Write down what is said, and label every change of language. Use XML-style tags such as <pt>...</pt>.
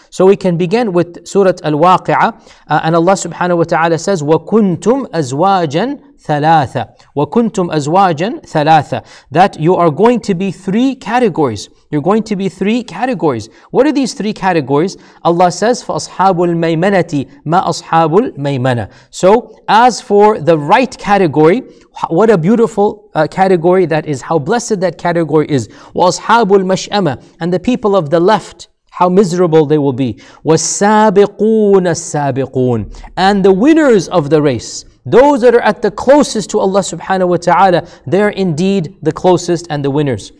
<en>So we can begin with Surah Al-Waqi'ah, and Allah subhanahu wa ta'ala says, وَكُنْتُمْ أَزْوَاجًا ثَلَاثًا وَكُنْتُمْ أَزْوَاجًا ثَلَاثًا, that you are going to be three categories. You're going to be three categories. What are these three categories?</en> <ar>Allah says, فَأَصْحَابُ الْمَيْمَنَةِ مَا أَصْحَابُ الْمَيْمَنَةِ.</ar> <en>So as for the right category, what a beautiful category that is. How blessed that category is.</en> <ar>وَأَصْحَابُ الْمَشْأَمَةِ,</ar> <en>and the people of the left, how miserable they will be.</en> <ar>وَالسَّابِقُونَ السَّابِقُونَ,</ar> <en>and the winners of the race, those that are at the closest to Allah subhanahu wa ta'ala, they're indeed the closest and the winners.</en>